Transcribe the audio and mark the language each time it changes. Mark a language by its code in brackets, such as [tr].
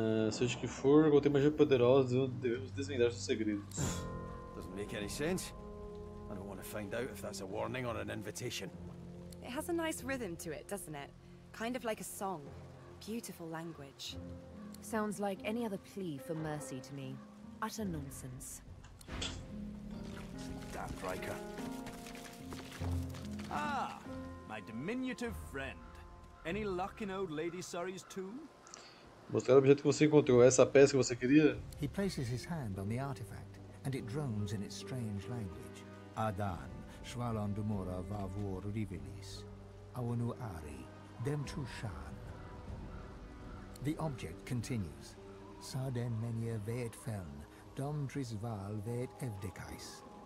[pt] Seja que for, contém magia poderosa, devemos desvendar seus segredos. [en] Doesn't make any sense. I don't want to find out if that's a warning or an invitation. It has a nice rhythm to it, doesn't it? Kind of like a song. Beautiful language. Sounds like any other plea for mercy to me. Utter nonsense. Damn Riker. Ah, my diminutive friend. Any luck in old lady Surrey's tomb? [pt] Mostrar o objeto que você encontrou, essa peça que você queria? [en] He places his hand on the artifact, and it drones in its strange language. Adan, Shvalon Dumora Vavur Rivilis, Awanu Ari, Demtushan. The object continues. Sarden Menia Veet Feln, Dom Drisval Veet Evdekais.